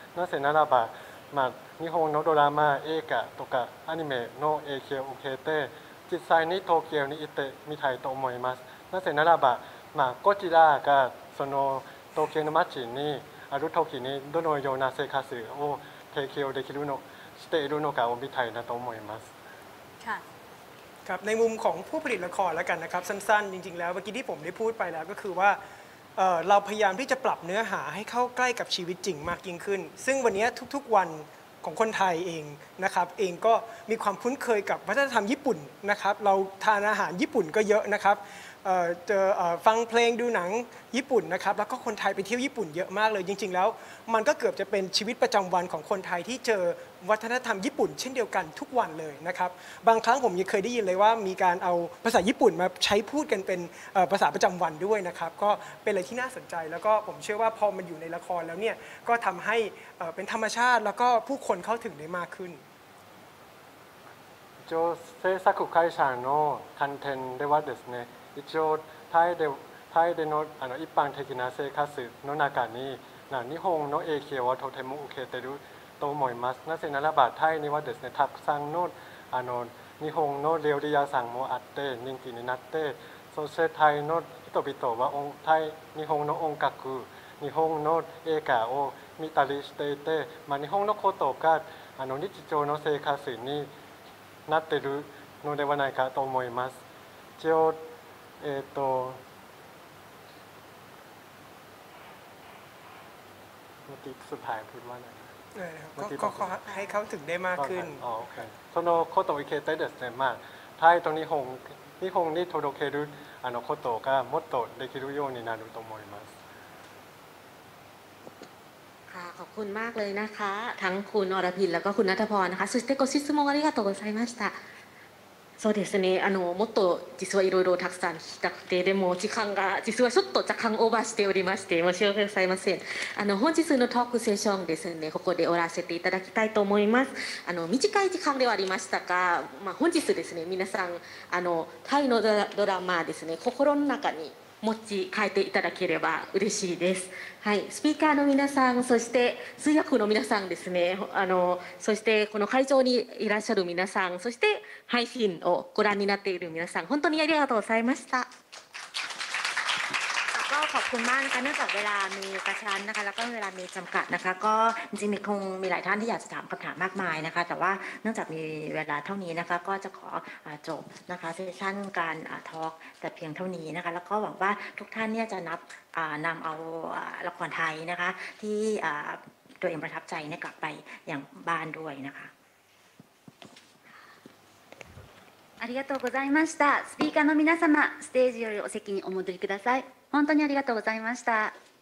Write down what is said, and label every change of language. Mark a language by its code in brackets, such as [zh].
[ja] なぜならば、まあ、日本のドラマ、映画とかアニメの影響を受けて実際に東京に行ってみたいと思います。なぜならば、まあ、ゴジラがその東京の街にある時にどのような生活を提供できるのしているのかを見たいなと思います。 [th] ครับในมุมของผู้ผลิตละครแล้วกันนะครับสั้นๆจริงๆแล้วเมื่อกี้ที่ผมได้พูดไปแล้วก็คือว่า เราพยายามที่จะปรับเนื้อหาให้เข้าใกล้กับชีวิตจริงมากยิ่งขึ้นซึ่งวันนี้ทุกๆวันของคนไทยเองนะครับเองก็มีความคุ้นเคยกับวัฒนธรรมญี่ปุ่นนะครับเราทานอาหารญี่ปุ่นก็เยอะนะครับ ฟังเพลงดูหนังญี่ปุ่นนะครับแล้วก็คนไทยไปเที่ยวญี่ปุ่นเยอะมากเลยจริงๆแล้วมันก็เกือบจะเป็นชีวิตประจำวันของคนไทยที่เจอวัฒนธรรมญี่ปุ่นเช่นเดียวกันทุกวันเลยนะครับบางครั้งผมยังเคยได้ยินเลยว่ามีการเอาภาษาญี่ปุ่นมาใช้พูดกันเป็นภาษาประจำวันด้วยนะครับก็เป็นอะไรที่น่าสนใจแล้วก็ผมเชื่อว่าพอมันอยู่ในละครแล้วเนี่ยก็ทำให้เป็นธรรมชาติแล้วก็ผู้คนเข้าถึงได้มากขึ้น [ja] จอ制作会社のコンテンツではですね一応タイでの一般的な生活の中に日本の影響はとても受けてると思います。なぜならばタイにはですねたくさんの日本の料理屋さんもあって人気になって、そしてタイの人々は日本の音楽、日本の映画を見たりしていて、まあ、日本のことが日常の生活になってるのではないかと思います。 [th] 一応เมื่อกี้สุดท้ายพูดว่าอะไร ก็ให้เขาถึงได้มากขึ้น [ja] โอเคその言葉を受けてですね、まあ、タイと日本に届けることがもっとできるようになると思います。 [th] ค่ะขอบคุณมากเลยนะคะทั้งคุณอรพินแล้วก็คุณณัฐพรนะคะ [ja] そしてご質問ありがとうございました。そうですね、もっと実はいろいろたくさん聞きたくて、でも時間が実はちょっと若干オーバーしておりまして申し訳ございません。本日のトークセッションですね、ここで終わらせていただきたいと思います。短い時間ではありましたが、まあ、本日ですね皆さんタイのドラマですね心の中に持ち帰っていただければ嬉しいです。はい、スピーカーの皆さん、そして通訳の皆さんですね、そしてこの会場にいらっしゃる皆さん、そして配信をご覧になっている皆さん、本当にありがとうございました。 [th] ขอบคุณมากนะคะเนื่องจากเวลามีกระชั้นนะคะแล้วก็เวลามีจำกัดนะคะก็จริงๆคงมีหลายท่านที่อยากจะถามคำถามมากมายนะคะแต่ว่าเนื่องจากมีเวลาเท่านี้นะคะก็จะขอจบนะคะเซสชั่นการทอล์กแต่เพียงเท่านี้นะคะแล้วก็หวังว่าทุกท่านเนี่ยจะนำเอาละครไทยนะคะที่ตัวเองประทับใจกลับไปอย่างบ้านด้วยนะคะ [ja] ありがとうございました。スピーカーの皆様ステージよりお席にお戻りください。本当にありがとうございました。